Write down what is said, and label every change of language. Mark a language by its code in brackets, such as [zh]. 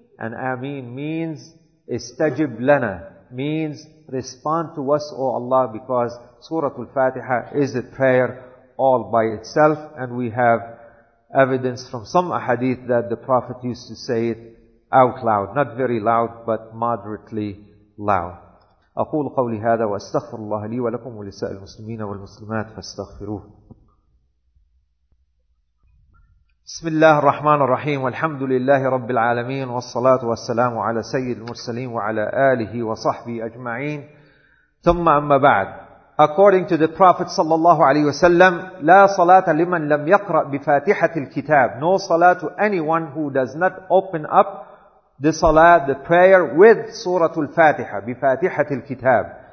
[en] And ameen means [ar] istajib lana, [en] means respond to us, O Allah, because Surah Al-Fatiha is a prayer all by itself, and we have evidence from some ahadith that the Prophet used to say it out loud, not very loud, but moderately loud. [ar] أقول قولي هذا وأستغفر الله لي ولكم ولسائر المسلمين والمسلمات فاستغفروه. بسم الله الرحمن الرحيم والحمد لله رب العالمين والصلاة والسلام على سيد المرسلين وعلى آله وصحبه أجمعين. ثم أما بعد, [en] according to the Prophet صلى الله عليه وسلم, [ar] لا صلاة لمن لم يقرأ بفاتحة الكتاب, [en] no salah to anyone who does not open up the salah, the prayer, with Surah Al-Fatiha, [ar] بفاتحة الكتاب.